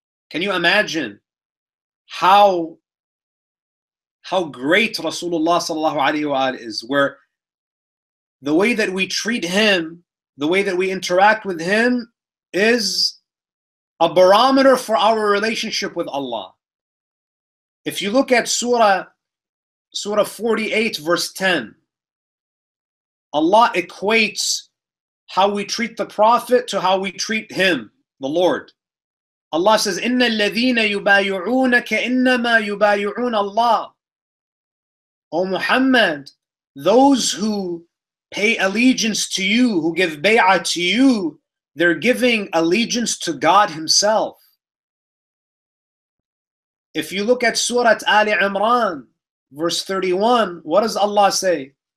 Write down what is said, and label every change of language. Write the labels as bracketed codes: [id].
[en] Can you imagine how great Rasulullah sallallahu alayhi wa alayhi is, where the way that we treat Him, the way that we interact with Him, is a barometer for our relationship with Allah. If you look at Surah 48, verse 10, Allah equates how we treat the Prophet to how we treat him, the Lord. Allah says, [ar] إِنَّ الَّذِينَ يُبَايُعُونَكَ إِنَّمَا يُبَايُعُونَ اللَّهِ. [en] O Muhammad, those who pay allegiance to you, who give bay'ah to you, they're giving allegiance to God Himself. If you look at Surah Ali Imran, verse 31, what does Allah say?